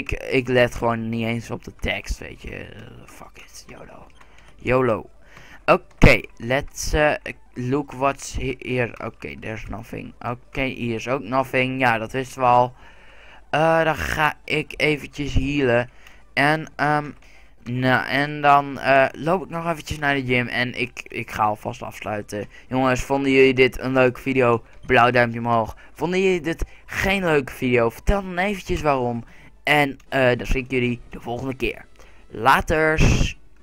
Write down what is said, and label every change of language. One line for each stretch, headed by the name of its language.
Dutch: Ik let gewoon niet eens op de tekst, weet je.
English: Fuck it, YOLO. YOLO. Oké, let's look what's here.
Dutch: Oké,
English: there's nothing.
Dutch: Oké, hier is ook nothing. Ja, dat wisten we al. Dan ga ik eventjes healen. En, en dan loop ik nog eventjes naar de gym. En ik ga alvast afsluiten. Jongens, vonden jullie dit een leuke video? Blauw duimpje omhoog. Vonden jullie dit geen leuke video? Vertel dan eventjes waarom. En dan zie ik jullie de volgende keer. Laters!